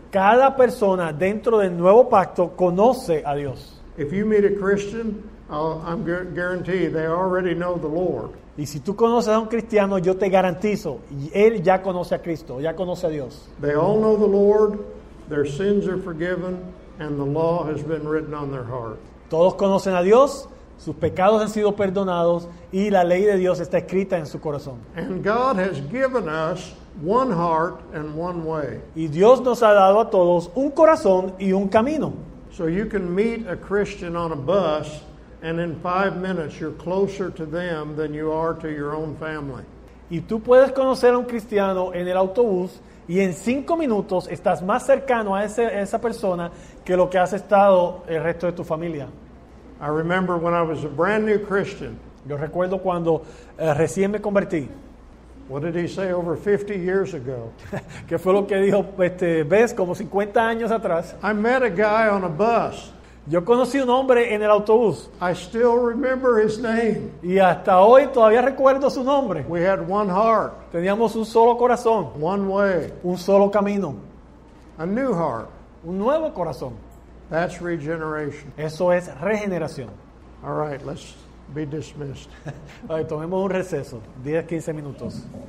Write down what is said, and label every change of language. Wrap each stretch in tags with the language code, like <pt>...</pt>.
<es>Cada persona dentro del nuevo pacto conoce a Dios.</es> <en>If you meet a Christian, I'm guarantee they already know the Lord.</en> <es>Y si tú conoces a un cristiano, yo te garantizo, él ya conoce a Cristo, ya conoce a Dios.</es> <en>They all know the Lord, their sins are forgiven, and the law has been written on their heart.</en> <es>Todos conocen a Dios, sus pecados han sido perdonados, y la ley de Dios está escrita en su corazón.</es> <en>And God has given us one heart and one way.</en> <es>Y Dios nos ha dado a todos un corazón y un camino.</es> <en>So you can meet a Christian on a bus, and in 5 minutes you're closer to them than you are to your own family.</en> <es>Y tú puedes conocer a un cristiano en el autobús, y en 5 minutos estás más cercano a esa persona que lo que has estado el resto de tu familia.</es> <en>I remember when I was a brand new Christian.</en> <es>Yo recuerdo cuando recién me convertí.</es> <en>What did he say over 50 years ago?</en> <es>¿Qué fue lo que dijo, ves, como 50 años atrás?</es> <en>I met a guy on a bus.</en> <es>Yo conocí un hombre en el autobús.</es> <en>I still remember his name.</en> <es>Y hasta hoy todavía recuerdo su nombre.</es> <en>We had one heart.</en> <es>Teníamos un solo corazón.</es> <en>One way.</en> <es>Un solo camino.</es> <en>A new heart.</en> <es>Un nuevo corazón.</es> <en>That's regeneration.</en> <es>Eso es regeneración.</es> <en>All right, let's be dismissed.</en> <es>Tomemos un receso, 10-15 minutos.</es>